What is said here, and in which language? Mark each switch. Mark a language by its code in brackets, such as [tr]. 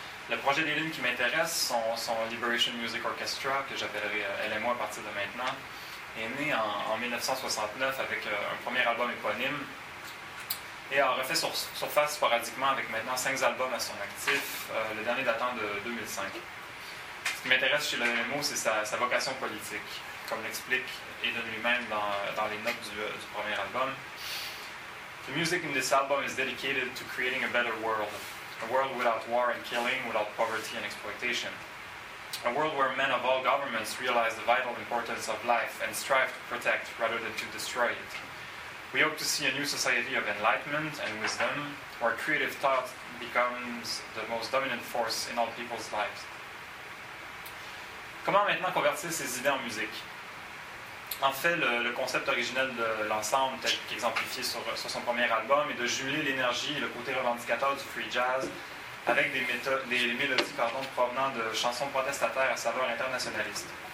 [fr] Le projet d'Hayden qui m'intéresse, son Liberation Music Orchestra, que j'appellerai LMO à partir de maintenant, est né en 1969 avec un premier album éponyme et a refait surface sporadiquement avec maintenant 5 albums à son actif, le dernier datant de 2005. Ce qui m'intéresse chez l'LMO, c'est sa vocation politique, comme l'explique Hayden lui-même dans les notes du premier album. [en] The music in this album is dedicated to creating a better world. A world without war and killing, without poverty and exploitation. A world where men of all governments realize the vital importance of life and strive to protect rather than to destroy it. We hope to see a new society of enlightenment and wisdom, where creative thought becomes the most dominant force in all people's lives. [fr] Comment maintenant convertir ces idées en musique? En fait, le concept originel de l'ensemble, tel qu'exemplifié sur son premier album, est de jumeler l'énergie et le côté revendicateur du free jazz avec des mélodies provenant de chansons protestataires à saveur internationaliste.